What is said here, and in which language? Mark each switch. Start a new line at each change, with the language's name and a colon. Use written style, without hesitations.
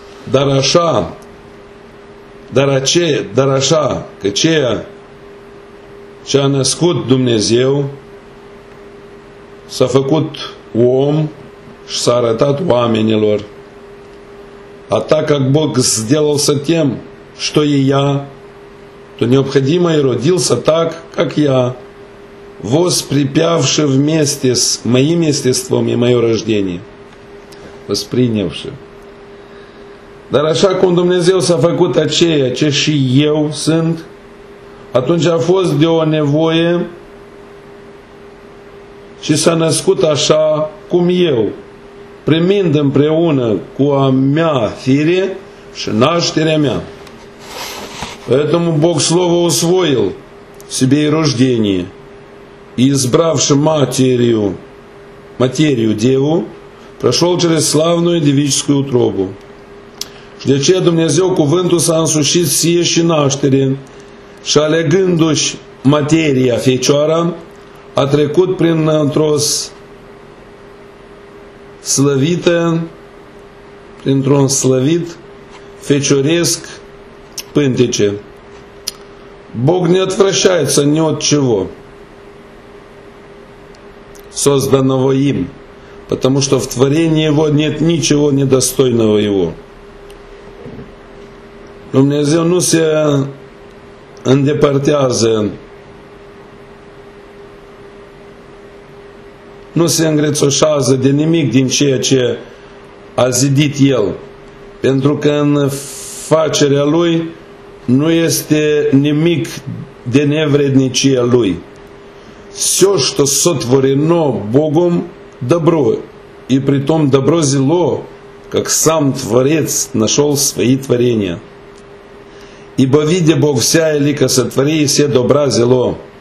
Romanian: Dar așa, că ceea ce a născut Dumnezeu s-a făcut om și s-a arătat oamenilor.
Russian: А так как Бог сделался тем, что и я, то необходимо и родился так, как я, воспринявши вместе с моим естеством и мое рождение. Воспринявши.
Romanian: Dar așa cum Dumnezeu s-a făcut aceea ce și eu sunt, atunci a fost de o nevoie și s-a născut așa cum eu, primind împreună cu a mea fire și nașterea mea.
Russian: Поэтому Бог слово усвоил себе и рождение, и избравши материю деву, прошел через славную девическую утробу.
Romanian: Și de aceea Dumnezeu cuvântul s-a însușit sie și naștere și alegându-și materia fecioară a trecut prin într-o slăvită, printr-un slăvit fecioresc pântece.
Russian: Бог не отвращается ни от чего, созданного им, потому что в творении его нет ничего недостойного его.
Romanian: Dumnezeu nu se îndepărtează, nu se îngrețoșează de nimic din ceea ce a zidit El, pentru că în facerea Lui nu este nimic de nevrednicie Lui.
Russian: Все, что сотворено Богом, добро, и при том добро зло, как сам Творец нашел свои творения. Ибо видя Бог вся елика сотвори и все добра зело.